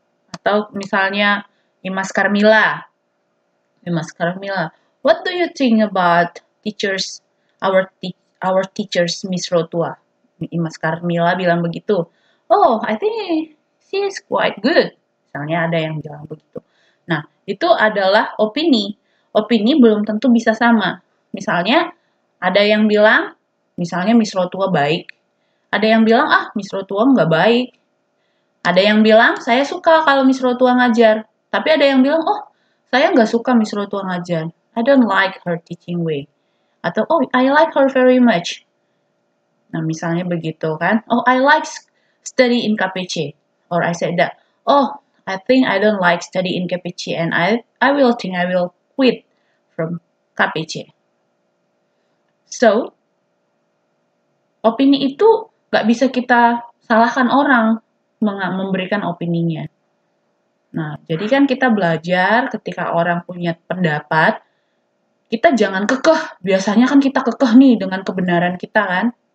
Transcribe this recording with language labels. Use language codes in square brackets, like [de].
[id] Atau misalnya Imas Carmila. [en] Imas Carmila, what do you think about teachers our teachers Miss Rotua? [id] Imas Carmila bilang begitu. [en] Oh, I think she is quite good. [id] Misalnya ada yang bilang begitu. Nah, itu adalah opini. Opini belum tentu bisa sama. Misalnya ada yang bilang misalnya Miss Rotua baik. Ada yang bilang, ah, Miss Rotua nggak baik. Ada yang bilang, saya suka kalau Miss Rotua ngajar. Tapi ada yang bilang, oh, saya nggak suka Miss Rotua ngajar. [en] I don't like her teaching way. [id] Atau, [en] oh, I like her very much. [id] Nah, misalnya begitu, kan. [en] Oh, I like study in KPC. Or I said that, oh, I think I don't like study in KPC. And I will think I will quit from KPC. [id] So, opini itu gak bisa kita salahkan orang memberikan opininya. Nah, jadi kan kita belajar ketika orang punya pendapat, kita jangan kekeh. Biasanya kan kita kekeh nih dengan kebenaran kita, kan?